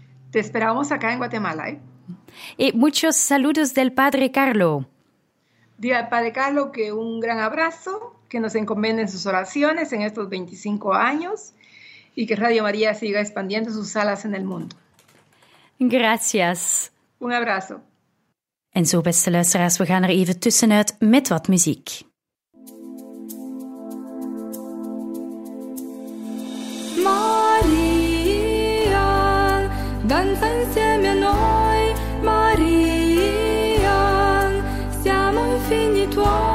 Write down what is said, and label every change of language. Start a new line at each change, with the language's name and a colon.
Spanish: Te esperamos acá en Guatemala, ¿eh? Y muchos saludos del Padre Carlo. Dile al Padre Carlo que un gran abrazo, que nos encomienden sus oraciones en estos 25 años. Y que Radio María siga expandiendo sus alas en el mundo. Gracias. Un abrazo.
Dutch: En zo, beste luisteraars, we gaan er even tussenuit met wat muziek.
Italian: Maria, ganz insieme a noi, Maria, siamo infini tuoi.